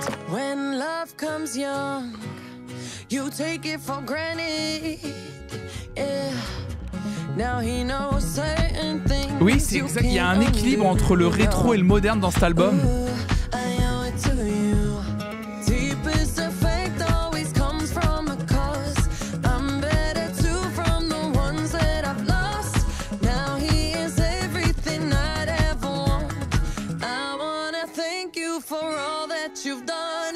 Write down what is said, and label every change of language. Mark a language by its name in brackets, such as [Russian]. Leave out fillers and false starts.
[English] When love comes young, you take it for granted, yeah. Now he knows certain things. [French] Oui, c'est exact. Il y a un équilibre entre le rétro et le moderne dans cet album. [English] Ooh, I owe it to you. Deepest effect always comes from a cause. I'm better too from the ones that I've lost. Now he is everything I'd ever want. I wanna thank you for all that you've done.